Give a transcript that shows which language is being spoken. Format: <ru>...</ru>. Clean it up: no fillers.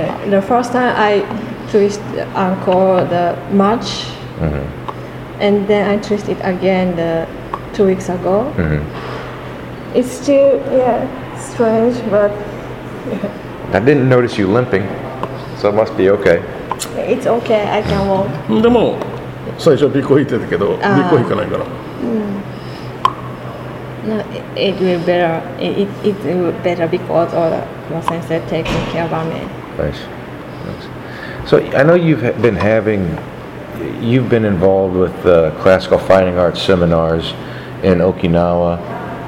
<en>The first time I twist ankle the March, and then I twist it again the 2 weeks ago. It's still strange, but I didn't notice you limping, so it must be okay. It's okay, I can walk.</en> <ja>でも最初ビコ引いてたけどビコ引かないから。</ja> <en>No, it will better. It will better because all the professor taking care of me. Nice. So I know you've been involved with the classical fighting arts seminars in Okinawa.</en>